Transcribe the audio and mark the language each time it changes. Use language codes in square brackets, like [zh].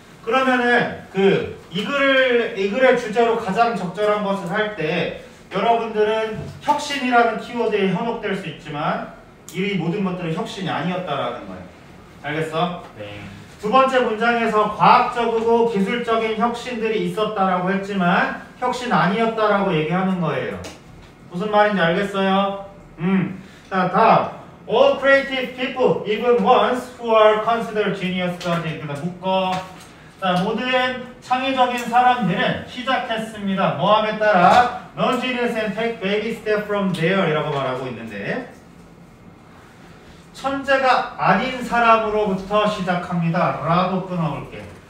[ko] 그러면은 그 이 글의 주제로 가장 적절한 것을 할 때 여러분들은 혁신이라는 키워드에 현혹될 수 있지만 이 모든 것들은 혁신이 아니었다라는 거예요. 알겠어? 네. 두 번째 문장에서 과학적이고 기술적인 혁신들이 있었다라고 했지만 혁신 아니었다라고 얘기하는 거예요. 무슨 말인지 알겠어요? 다음. [en] All creative people, even ones who are considered genius [ko] 까지 일단 묶어. 자, 모든 창의적인 사람들은 시작했습니다. 모함에 따라 [en] non-genius and take baby step from there [ko] 이라고 말하고 있는데 천재가 아닌 사람으로부터 시작합니다. 라고 끊어볼게.